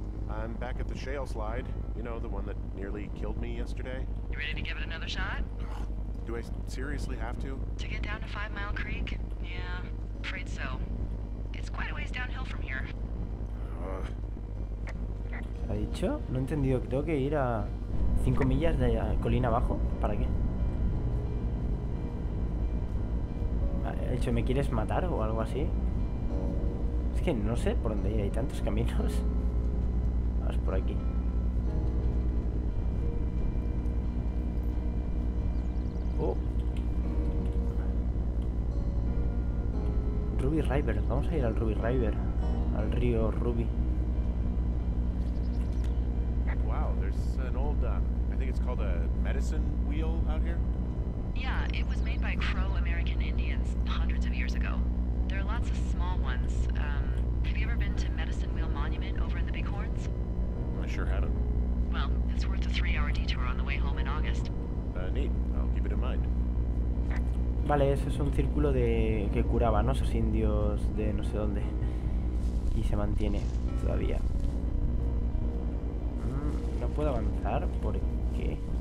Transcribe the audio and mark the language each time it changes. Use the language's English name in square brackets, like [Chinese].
[English] I'm back at the shale slide, you know, the one that nearly killed me yesterday. You ready to give it another shot? Do I seriously have to? To get down to Five Mile Creek? Yeah, afraid so. It's quite a ways downhill from here. [Spanish] ¿Ha dicho? No he entendido. ¿Tengo que ir a 5 millas de colina abajo? ¿Para qué? ¿Ha dicho, me quieres matar o algo así? Es que no sé por dónde ir, hay tantos caminos. Vamos por aquí. Ruby River, vamos a ir al Ruby River, al río Ruby. [English] Wow, there's an old, I think it's called a medicine wheel out here. Yeah, it was made by Crow American Indians hundreds of years ago. There are lots of small ones. Have you ever been to Medicine Wheel Monument over in the Bighorns? I sure haven't. Well, it's worth a 3-hour detour on the way home in August. Neat. I'll keep it in mind. [Spanish] Vale, ese es un círculo de que curaba, ¿no? Esos indios de no sé dónde. Y se mantiene todavía. No puedo avanzar, ¿por qué?